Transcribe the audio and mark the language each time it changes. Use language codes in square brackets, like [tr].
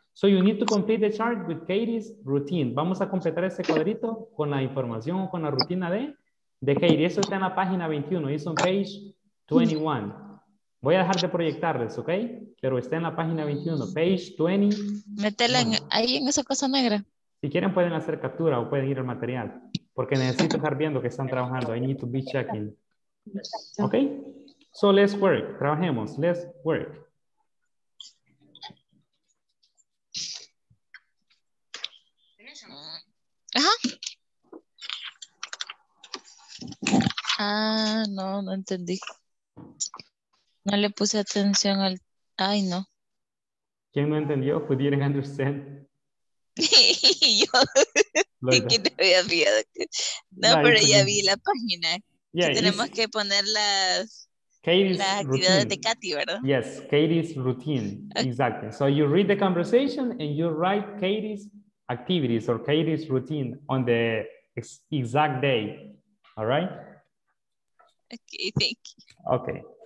[en] So you need to complete the chart with Katie's routine. [es] Vamos a completar ese cuadrito con la información o con la rutina de Katie. Eso está en la página 21. [en] It's on page 21. [es] Voy a dejar de proyectarles, ¿ok? Pero está en la página 21, [en] page 20. [es] Métela ahí en esa cosa negra. Si quieren pueden hacer captura o pueden ir al material. Porque necesito estar viendo que están trabajando. [en] I need to be checking. ¿Ok? So let's work. [es] Trabajemos. [en] Let's work. Ajá. [es] Ah, no entendí. No le puse atención al... Ay, no. ¿Quién no entendió? [en] Who didn't understand? [es] Yo. ¿Quién te había fijado? No, la pero ya vi la página. Yeah, tenemos que poner las actividades de Katy, ¿verdad? [en] Yes, Katy's routine. Okay. Exactly. So you read the conversation and you write Katy's activities or Katy's routine on the exact day. All right? Okay, thank you. Okay.